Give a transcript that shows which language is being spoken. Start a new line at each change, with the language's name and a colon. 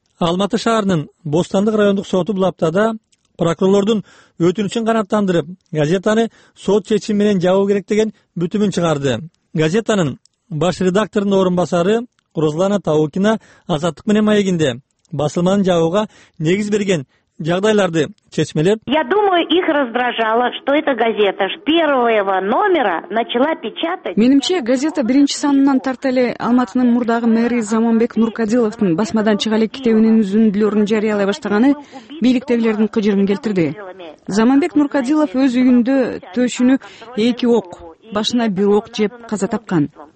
Kyrgyz: Алматы шаарынын Бостандык райондук соту бул аптада прокурордун өтүнүчүн канааттандырып, газетаны сот чечими менен жабуу керек деген бүтүмүн чыгарды. Газетанын баш редактордун орун басары Розлана Таукина Азаттык менен маегинде басылманын жабууга негиз берген жагдайларды чечмелеп.
Russian: Я думаю, их раздражало, что эта газета с первого номера начала печатать.
Kyrgyz: Менимче, газета биринчи санынан тарта эле Алматынын мурдагы мэри Заманбек Нуркадиловдун басмадан чыга элек китебинин үзүндүлөрүн жарыялай баштаганы бийликтегилердин кыжырын келтирди. Заманбек Нуркадилов өз үйүндө төшүнү 2 ок, башына 1 ок жеп каза тапкан.